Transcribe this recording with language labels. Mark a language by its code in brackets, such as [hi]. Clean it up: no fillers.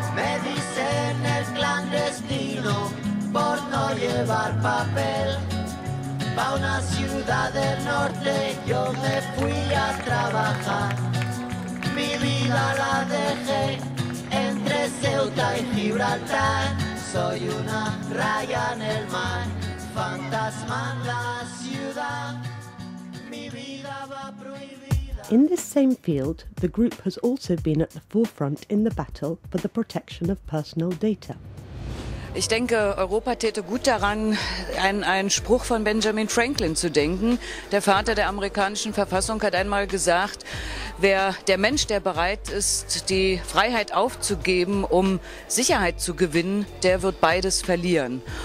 [es] Me dicen el clandestino por no llevar papel, pa' una ciudad del norte yo me fui a trabajar, mi vida la dejé. Entre Ceuta y Gibraltar, soy una raya en el mar, fantasma en la ciudad, mi vida va prohibida. [en] In this same field, the group has also been at the forefront in the battle for the protection of personal data. [de] Ich denke, Europa täte gut daran, an einen Spruch von Benjamin Franklin zu denken. Der Vater der amerikanischen Verfassung hat einmal gesagt, wer der Mensch, der bereit ist, die Freiheit aufzugeben, um Sicherheit zu gewinnen, der wird beides verlieren.